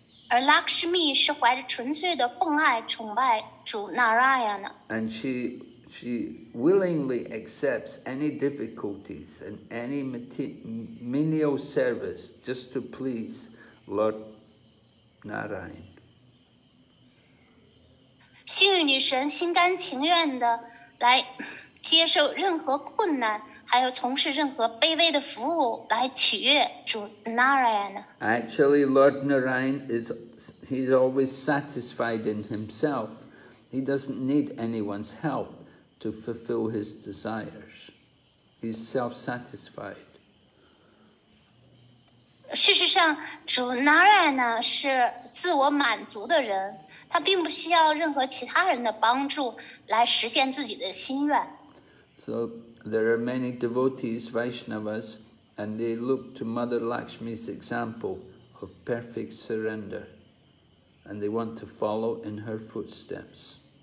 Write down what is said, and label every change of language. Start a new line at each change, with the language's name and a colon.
Chinese: 而 Lakshmi 是怀着纯粹的奉爱崇拜主 Narayan 呢。
English: And she willingly accepts any difficulties and any menial service just to please Lord. Narayan.
Chinese: 幸运女神心甘情愿地来接受任何困难，还有从事任何卑微的服务来取悦主 Narayan.
English: Actually, Lord Narayan he's always satisfied in himself. He doesn't need anyone's help to fulfill his desires. He's self-satisfied.
Chinese: 事实上主 Narayan 呢是自我满足的人，他并不需要任何其他人的帮助来实现自己的心愿。
English: So there are many devotees Vaishnavas and they look to Mother Lakshmi's example of perfect surrender and they want to follow in her footsteps.